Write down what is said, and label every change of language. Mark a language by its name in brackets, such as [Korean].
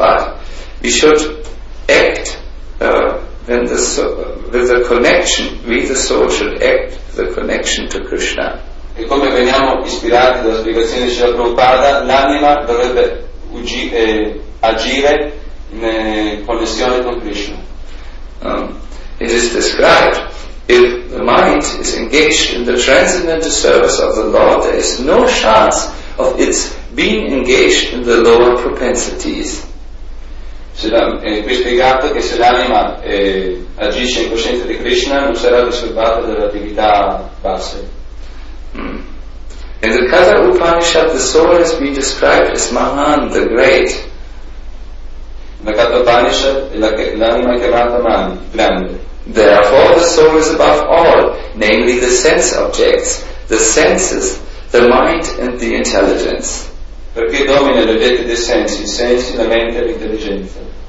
[English] with the soul should act the connection to Krishna. [Italian] E come veniamo ispirati dalla spiegazione di Srila Prabhupada, l'anima dovrebbe agire in connessione con Krishna. [English] It is described, if the mind is engaged in the transcendental service of the Lord, there is no chance of its being engaged in the lower propensities. [Italian] Qui è spiegato che se l'anima agisce in coscienza di Krishna non sarà disturbata dalle attività basse. [English] In the Katha Upanishad, the soul has been described as Mahan, the great. [Italian] La Katha Upanishad, l'anima è chiamata Mahan, grande. [English] Therefore, the soul is above all, namely the sense objects, the senses, the mind and the intelligence. [Italian] Perché domina gli oggetti dei sensi, i sensi, la mente e l'intelligenza.